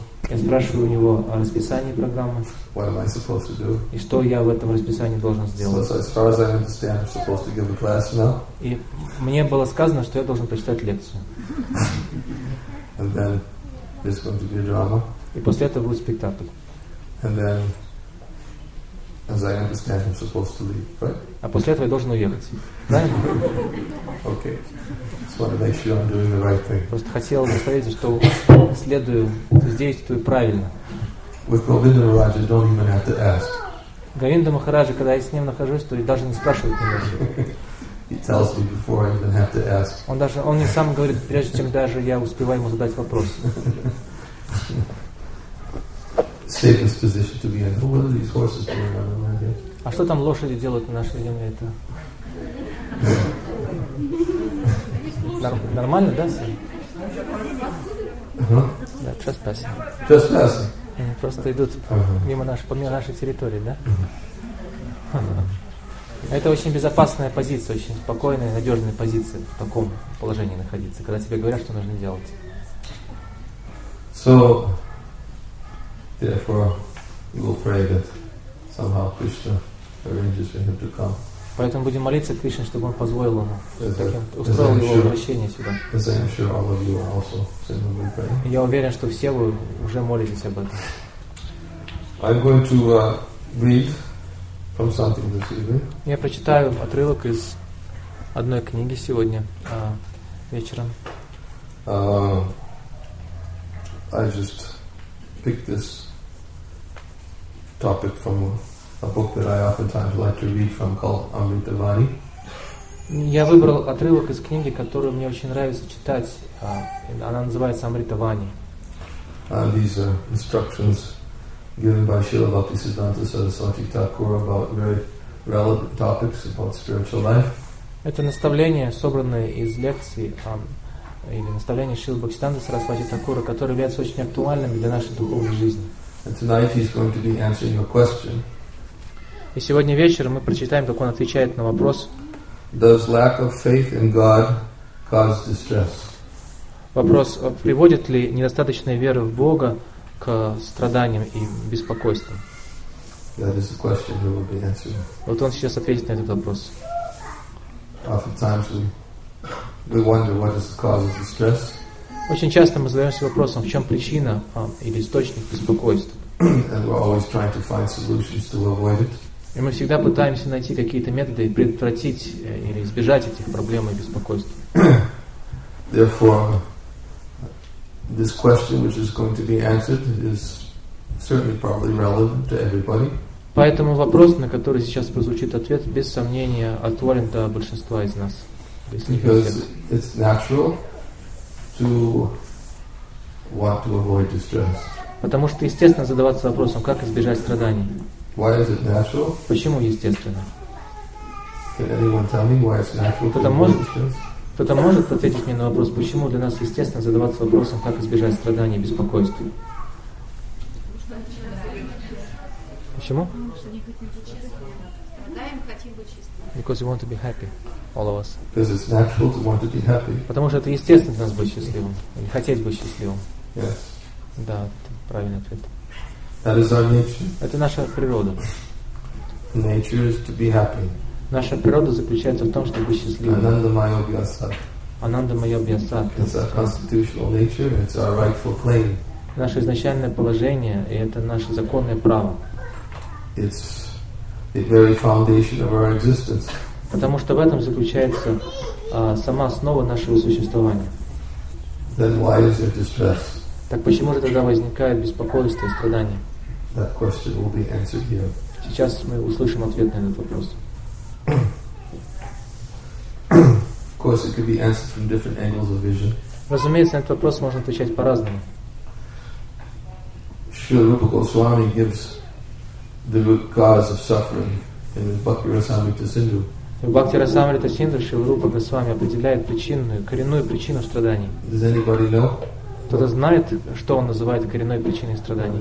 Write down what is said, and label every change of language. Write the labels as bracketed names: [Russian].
[Russian] Я спрашиваю у него о расписании программы. [English] What am I supposed to do? [Russian] И что я в этом расписании должен сделать. [English] So, as far as I understand, I'm supposed to give a class now. [Russian] И мне было сказано, что я должен прочитать лекцию. [English] And then there's going to be a drama. [Russian] И после этого будет спектакль. [English] And then, as I understand, I'm supposed to leave, right? [Russian] А после этого я должен уехать. Правильно? [English] Okay. Just want to make sure I'm doing the right thing. [Russian] Просто хотел заставить, что следую, действую правильно. [English] With Govinda Maharaja, don't even have to ask. [Russian] Говинда Махараджа, когда я с ним нахожусь, то даже не спрашивать не нужно. [English] He tells me before I even have to ask. [Russian] Он мне сам говорит, прежде чем даже я успеваю ему задать вопрос. [English] Safest position to be in. Well, what are these horses doing on the land here? [Russian] А что там лошади делают на нашей земле? Это нормально, да, сын? Да, trespassing. [English] Trespassing. [Russian] Они просто идут мимо нашей территории, да? Это очень безопасная позиция, очень спокойная, надежная позиция в таком положении находиться, когда тебе говорят, что нужно делать. [English] So, therefore, we will pray that somehow Krishna arranges for him to come. [Russian] Поэтому будем молиться Кришне, чтобы он позволил ему, устроил его возвращение сюда. [English] As I am sure all of you also similarly pray. [Russian] Я уверен, что все вы уже молитесь об этом. [English] I'm going to read from something this evening. [Russian] Я прочитаю отрывок из одной книги сегодня вечером. [English] I just picked this topic from a book that I oftentimes like to read from called Amrita Vani. [Russian] Я выбрал отрывок из книги, которую мне очень нравится читать. Она называется Amrita Vani. [English] And these are instructions given by Srila Bhaktisiddhanta Saraswati Thakur about very relevant topics about spiritual life. [Russian] Это наставление, собранное из лекции или наставление Шрилы Бхактисиддханты Сарасвати Такура, которое является очень актуальным для нашей духовной жизни. [English] And tonight he's going to be answering your question. [Russian] И сегодня вечером мы прочитаем, как он отвечает на вопрос. [English] Does lack of faith in God cause distress? [Russian] Вопрос, приводит ли недостаточная вера в Бога к страданиям и беспокойствам? [English] That is the question he will be answering. [Russian] Вот он сейчас ответит на этот вопрос. [English] Oftentimes we wonder what is the cause of distress. [Russian] Очень часто мы задаемся вопросом, в чем причина или источник беспокойства. [English] And we're always trying to find solutions to avoid it. [Russian] И мы всегда пытаемся найти какие-то методы и предотвратить или избежать этих проблем и беспокойств. [English] Therefore, this question, which is going to be answered, is certainly probably relevant to everybody. [Russian] Поэтому вопрос, на который сейчас прозвучит ответ, без сомнения актуален для большинства из нас. [English] Because it's natural to want to avoid distress. [Russian] Потому что естественно задаваться вопросом, как избежать страданий. [English] Why is it natural? [Russian] Почему естественно? [English] Can anyone tell me why it's natural to avoid distress? [Russian] Кто-то может ответить мне на вопрос, почему для нас естественно задаваться вопросом, как избежать страданий и беспокойств? Почему? [English] Because we want to be happy, all of us. Because it's natural to want to be happy. [Russian] Потому что это естественно нас быть счастливым или хотеть быть счастливым. [English] Yes. [Russian] Да, это правильный ответ. [English] That is our nature. [Russian] Это наша природа. [English] Nature is to be happy. [Russian] Наша природа заключается в том, чтобы быть счастливым. [Sanskrit] Ananda Maya Vyasat. Ananda Maya Vyasat. [English] It's our constitutional nature. It's our rightful claim. [Russian] Наше изначальное положение и это наше законное право. [English] It's the very foundation of our existence. [Russian] Потому что в этом заключается сама основа нашего существования. [English] Then why is there distress? [Russian] Так почему же тогда возникает беспокойство и страдания? [English] That question will be answered here. [Russian] Сейчас мы услышим ответ на этот вопрос. [English] Of course, it could be answered from different angles of vision. [Russian] Разумеется, на этот вопрос можно отвечать по-разному. [English] Srila Rupa Goswami gives the root cause of suffering in his Bhakti Rasamrita Sindhu. [Russian] В Бхакти Расамрита Синдху Шрила Рупа Госвами определяет причинную, коренную причину страданий. [English] Does anybody know? [Russian] Кто-то знает, что он называет коренной причиной страданий?